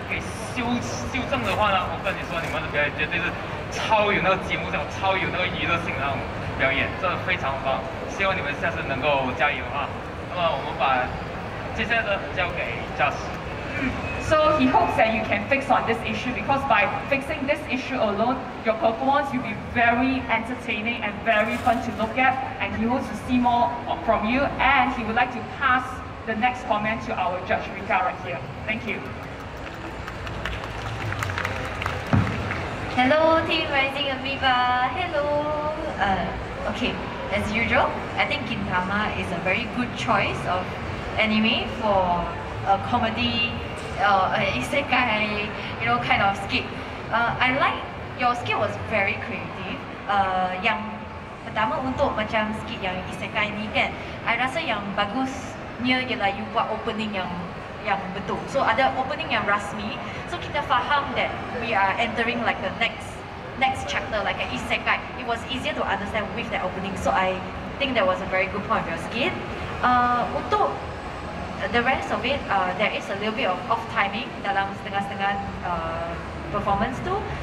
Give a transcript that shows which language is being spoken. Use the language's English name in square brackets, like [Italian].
[Chinese] 所以之后呢，你们如果把这个问题给修正的话呢，我跟你说，你们的表演绝对是。超有那个节目，超有那个娱乐性那种表演，真的非常棒。希望你们下次能够加油啊！那么我们把接下来的交给Josh。 [English] So he hopes that you can fix on this issue because by fixing this issue alone, your performance will be very entertaining and very fun to look at, and he hopes to see more from you. And he would like to pass the next comment to our judge Rika right here. Thank you. Hello, Team Rising Amoeba. Hello. Okay, as usual, I think Gintama is a very good choice of anime for a comedy, isekai, you know, kind of skit. I like your skit was very creative. [Malay] Yang pertama untuk macam skit yang isekai ni kan, I rasa yang bagusnya ialah you buat opening yang betul. So ada opening yang rasmi. So kita faham [English] that we are entering like the next chapter, like an isekai. It was easier to understand with that opening. So I think that was a very good point of your skit. [Malay] Untuk [English] the rest of it, there is a little bit of off timing [Malay] dalam setengah-setengah [English] performance [Malay] tu.